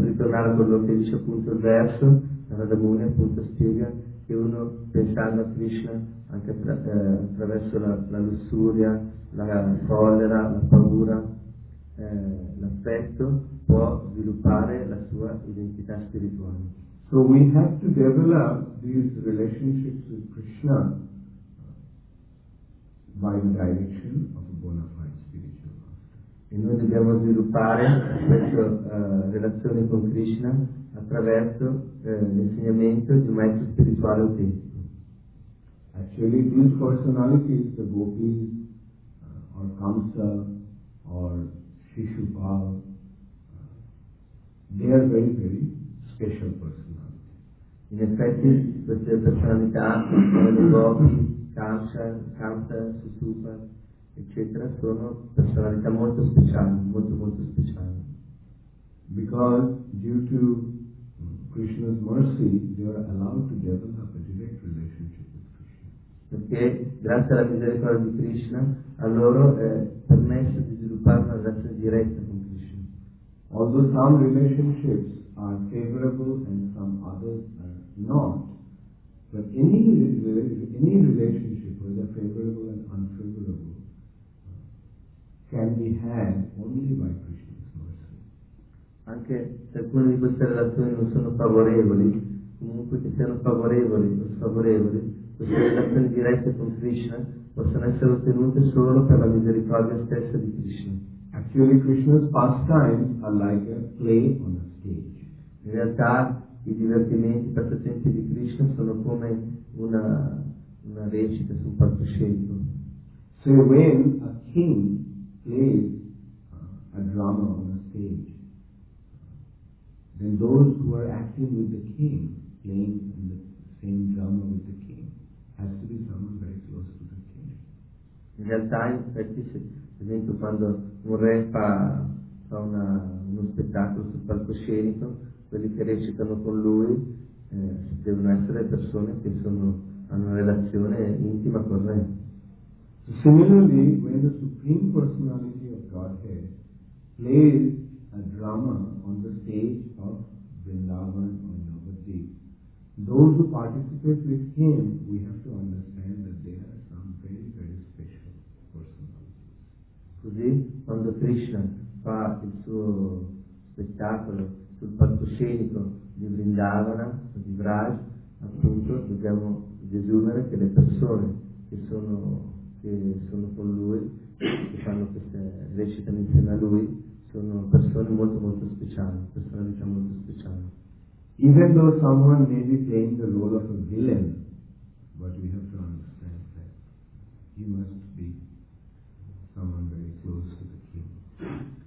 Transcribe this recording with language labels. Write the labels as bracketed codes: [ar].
[it] Per ritornare a quello che dice appunto il verso, Narada Muni appunto spiega che uno pensando a Krishna anche attraverso la lussuria, la collera, la paura, l'affetto, può sviluppare la sua identità spirituale. [en] So we have to develop these relationships with Krishna by the direction of a bona fide spiritual master. [it] E noi dobbiamo sviluppare questa relazione con Krishna attraverso l'insegnamento di un maestro spirituale autentico. [en] Actually, these personalities, the gopis, or Kamsa, or Shishupal, they are very, very special personalities. [it] In effetti, queste personalità, come gopi, Kamsa, Sutupa, eccetera, sono personalità molto speciali, molto molto speciali. [en] Because due to Krishna's mercy, they are allowed to develop a direct relationship with Krishna. [it] Perché grazie alla misericordia di Krishna, a loro è permesso di sviluppare una relazione diretta con Krishna. [en] Although some relationships are favorable and some others are not, but any relationship, whether favorable and unfavorable, can be had only by Krishna's mercy. [it] Anche se alcune di queste relazioni non sono favorevoli, comunque che siano favorevoli o sfavorevoli, queste relazioni dirette con Krishna possono essere ottenute solo per la misericordia stessa di Krishna. [en] Actually, Krishna's pastimes are like a play on a stage. [it] In realtà, i divertimenti per presenti di Krishna sono come una recita su un palcoscenico. [en] So when a king plays a drama on a stage, then those who are acting with the king, playing in the same drama with the king, has to be someone very close to the king. [it] In realtà, infatti, per esempio, quando un re fa uno spettacolo sul palcoscenico, quelli che recitano con lui devono essere persone che hanno una relazione intima con lui. [en] So similarly, when the Supreme Personality of Godhead plays a drama on the stage of Vrindavan or Navadvip, those who participate with him, we have to understand that they are some very, very special personalities. [it] Così, quando Krishna fa il suo spettacolo sul palcoscenico di Vrindavana, di Vraj, appunto dobbiamo desumere che le persone che sono che sono con lui, che fanno questa recita insieme a lui, sono persone molto molto speciali, personalità molto speciali. [en] Even though someone may be playing the role of a villain, but we have to understand that he must be someone very close to the king.